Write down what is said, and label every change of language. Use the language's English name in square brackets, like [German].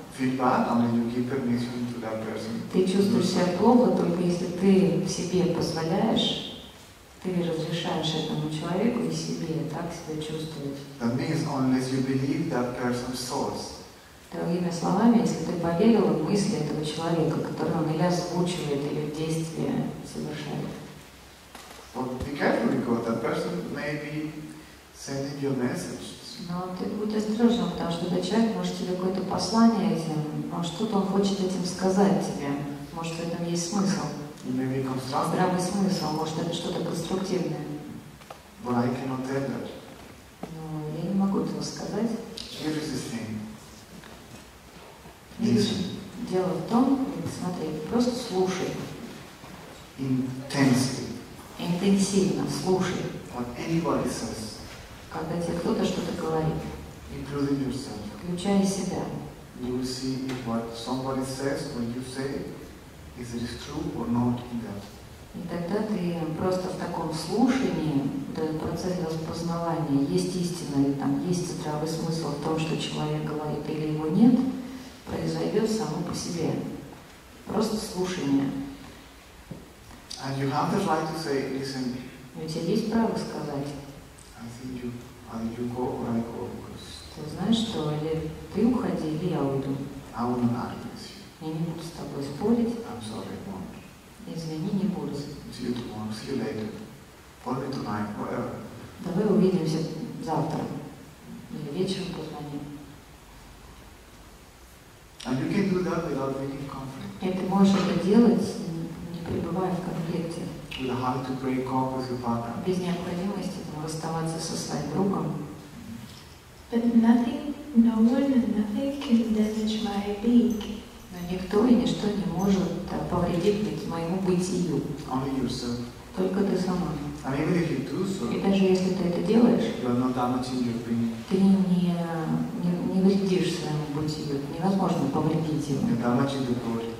[Russian] Ты чувствуешь себя плохо, только если ты себе позволяешь, ты разрешаешь этому человеку и себе так себя чувствовать. Другими словами, если ты поверил в мысли этого человека, который он или озвучивает, или действия совершает. [English] But be careful, because that person may be sending you a message. [Russian] Но ты будь осторожен, потому что этот человек может тебе какое-то послание этим, может что-то он хочет этим сказать тебе, может в этом есть смысл. [English] Maybe constructive. [Russian] Здравый смысл, может это что-то конструктивное. [English] But I cannot tell that. [Russian] Но я не могу этого сказать. [English] Here is this thing. Listen. [Russian] Дело в том, смотри, просто слушай. [English] Intensely. [Russian] Интенсивно слушай. [English] What anybody says. [Russian] Когда тебе кто-то что-то говорит. [English] Including yourself. [Russian] Включая себя. [English] You will see if what somebody says when you say is it is true or not in that. [Russian] И тогда ты просто в таком слушании, этот процесс распознавания, есть истина или там есть здравый смысл в том, что человек говорит или его нет. Произойдет само по себе. Просто слушание. [English] And you have the right to say, listen. [Russian] У тебя есть право сказать. Ты знаешь, что или ты уходи, или я уйду. [English] I will not argue with you. [Russian] Я не буду с тобой спорить. [English] I'm sorry, I won't. [Russian] Извини, не буду. [English] See you tomorrow. See you later. Call me tonight, whatever. [Russian] Давай увидимся завтра. Или вечером позвоним. [English] And you can do that without being in conflict. [Russian] И ты можешь это делать, не пребывая в конфликте. [English] With a heart to break off with your partner. [Russian] Без необходимости расставаться со своим другом. [English] But nothing, no one and nothing can damage my being. [Russian] Но никто и ничто не может повредить моему бытию. [English] Only yourself. [Russian] Только ты сама. [English] And even if you do so. [Russian] И даже если ты это делаешь, [English] you are not damaging your being. [Russian] Ты не вредишь своему бытию, невозможно повредить его. Это очень другое.